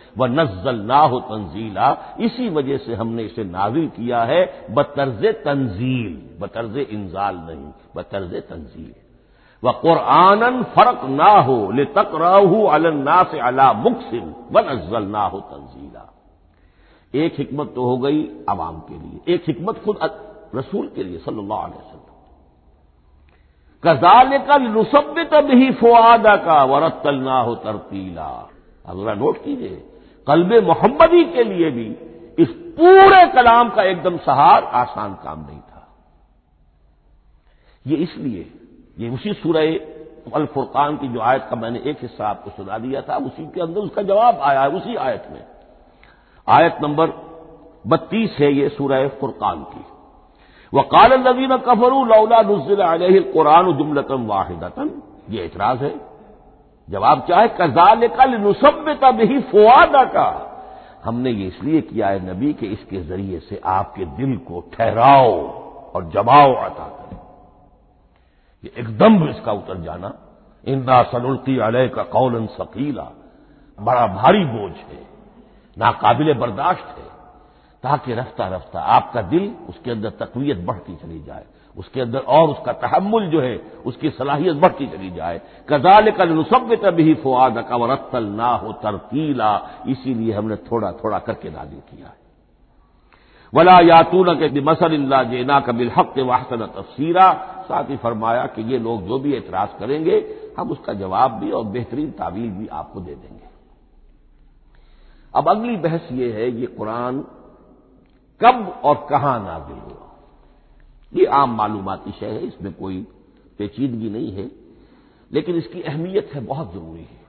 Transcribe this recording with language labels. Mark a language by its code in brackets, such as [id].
[ar] وَنَزَّلْنَاهُ تَنزِيلًا [ur] اسی وجہ سے ہم نے اسے نازل کیا ہے بطرز تنزیل بطرز انزال نہیں بطرز تنزیل. [ar] وَقُرْآنًا فَرَقْنَاهُ لِتَقْرَأَهُ عَلَى النَّاسِ عَلَى مُكْثٍ وَنَزَّلْنَاهُ تَنزِيلًا. [ur] ایک حکمت تو ہو گئی عوام کے لیے ایک حکمت خود رسول کے لیے صلی اللہ علیہ وسلم. [ar] كَذَلِكَ لِنُثَبِّتَ بِهِ فُؤَادَكَ وَرَتَّلْنَاهُ تَرْتِيلًا. [ur] اب ذرا نوٹ کیجئے قلب محمدی کے لیے بھی اس پورے کلام کا ایک دم سہار آسان کام نہیں تھا. یہ اس لیے یہ اسی سورہ الفرقان کی جو آیت کا میں نے ایک حصہ آپ کو سنا دیا تھا اسی کے اندر اس کا جواب آیا ہے اسی آیت میں. آیت نمبر 32 ہے یہ سورہ فرقان کی. [ar] وقال الذين كفروا لولا نزل عليه القرآن جملة واحدة. [ur] یہ اعتراض ہے. جواب کیا ہے؟ [ar] كذلك لنثبت به فؤادك. [ur] ہم نے یہ اس لیے کیا ہے نبی کہ اس کے ذریعے سے آپ کے دل کو ٹھہراؤ اور جماؤ عطا کرے. یہ ایک دم اس کا اتر جانا [ar] انا سنلقی علیک قولا ثقیلا [ur] بڑا بھاری بوجھ ہے ناقابل برداشت ہے تاکہ رفتہ رفتہ آپ کا دل اس کے اندر تقویت بڑھتی چلی جائے اس کے اندر اور اس کا تحمل جو ہے اس کی صلاحیت بڑھتی چلی جائے. [ar] كذلك لنثبت به فؤادك ورتلناه ترتيلا [ur] اسی لیے ہم نے تھوڑا تھوڑا کر کے نازل کیا. [ar] ولا ياتونك بمثل الا جئناك بالحق واحسن تفسيرا. [ur] ساتھ ہی فرمایا کہ یہ لوگ جو بھی اعتراض کریں گے ہم اس کا جواب بھی اور بہترین تعویل بھی آپ کو دے دیں گے. اب اگلی بحث یہ ہے یہ قرآن کب اور کہاں نازل ہوا. یہ عام معلوماتی شے ہے اس میں کوئی پیچیدگی نہیں ہے لیکن اس کی اہمیت ہے بہت ضروری ہے.